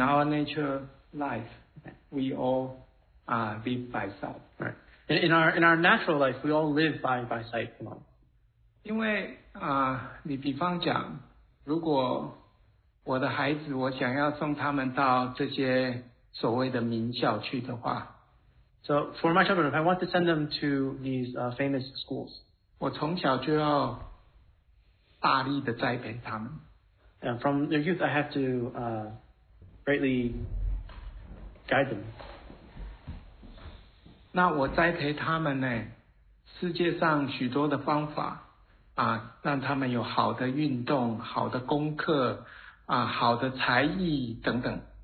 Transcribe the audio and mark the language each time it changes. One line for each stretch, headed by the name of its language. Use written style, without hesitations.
English: our natural life, we all live by sight. In our natural life, we all live by sight.
Chinese: 因为你比方讲，如果我的孩子，我想要送他们到这些所谓的名校去的话。
English: So for my children, if I want to send them to these famous schools,
Chinese: 我从小就要大力的栽培他们。
English: And from their youth, I have to greatly guide them.
Chinese: 那我栽培他们呢？世界上许多的方法让他们有好的运动、好的功课、好的才艺等等。